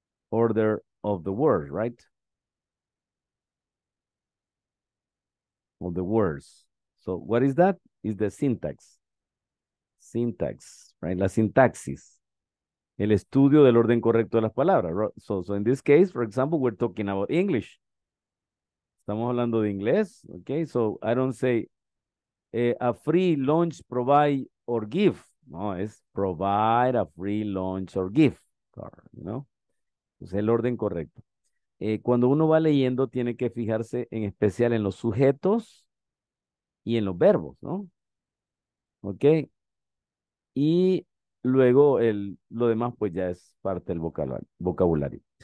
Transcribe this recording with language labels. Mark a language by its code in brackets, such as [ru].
[en] Order of the word, right? Of the words. So what is that? Is the syntax. Syntax, right? [es] La sintaxis. El estudio del orden correcto de las palabras. [en] So in this case, for example, we're talking about English. [es] Estamos hablando de inglés. [en] Okay, so I don't say a free lunch, provide or give. No, it's provide a free lunch or give. Or, you know? [es] Es el orden correcto. Cuando uno va leyendo, tiene que fijarse en especial en los sujetos y en los verbos, ¿no? ¿Ok? Y luego lo demás, pues ya es parte del vocabulario.